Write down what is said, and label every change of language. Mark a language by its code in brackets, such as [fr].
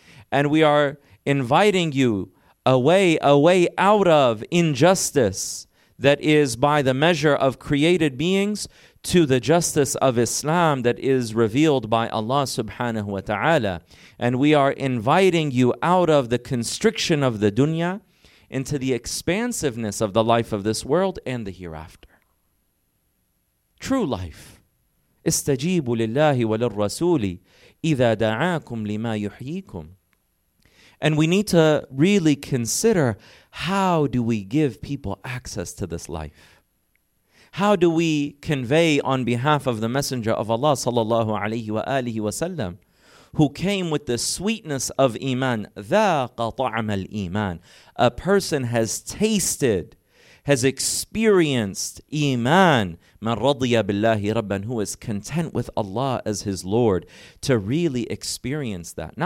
[en] And we are inviting you a way out of injustice that is by the measure of created beings to the justice of Islam that is revealed by Allah subhanahu wa ta'ala. And we are inviting you out of the constriction of the dunya into the expansiveness of the life of this world and the hereafter." True life. [ar] استجيبوا لله وللرسول إذا دعاكم لما يحييكم. [en] And we need to really consider, how do we give people access to this life? How do we convey on behalf of the Messenger of Allah sallallahu alayhi wa alihi wa sallam, who came with the sweetness of iman, [ar] ذَاقَ طَعْمَ الْإِيمَانِ, [en] a person has tasted, has experienced iman, [ar] مَنْ رَضِيَ بِاللَّهِ رَبًّا, [en] who is content with Allah as his Lord, to really experience that.